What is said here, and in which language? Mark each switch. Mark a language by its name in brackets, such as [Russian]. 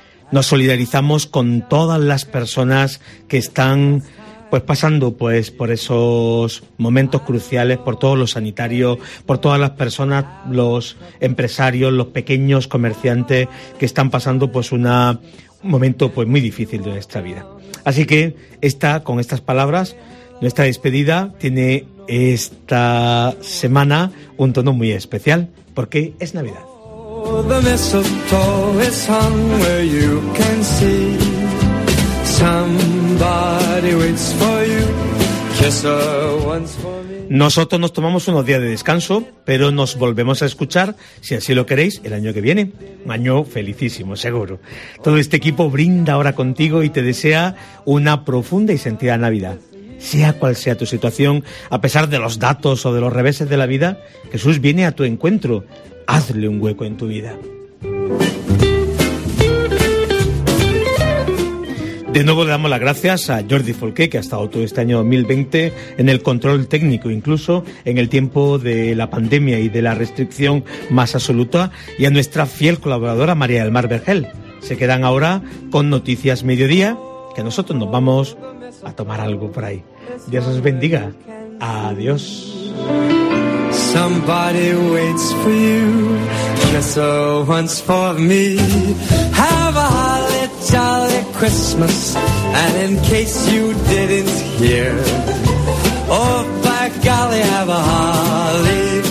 [Spanish] Nos solidarizamos con todas las personas que están pues pasando pues por esos momentos cruciales, por todos los sanitarios, por todas las personas, los empresarios, los pequeños comerciantes que están pasando pues un momento pues muy difícil de nuestra vida. Así que con estas palabras, nuestra despedida tiene esta semana un tono muy especial, porque es Navidad. [English] The mistletoe is hung where you can see. Somebody waits for you. Kiss her once for me. [Spanish] Nosotros nos tomamos unos días de descanso, pero nos volvemos a escuchar, si así lo queréis, el año que viene. Un año felicísimo, seguro. Todo este equipo brinda ahora contigo y te desea una profunda y sentida Navidad. Sea cual sea tu situación, a pesar de los datos o de los reveses de la vida, Jesús viene a tu encuentro. Hazle un hueco en tu vida. De nuevo le damos las gracias a Jordi Folqué, que ha estado todo este año 2020 en el control técnico, incluso en el tiempo de la pandemia y de la restricción más absoluta, y a nuestra fiel colaboradora María del Mar Vergel. Se quedan ahora con Noticias Mediodía, que nosotros nos vamos a tomar algo por ahí. Dios os bendiga. Adiós. [English] Somebody waits for you, just so once for me. Have a holly jolly Christmas, and in case you didn't hear, oh by golly, have a holly.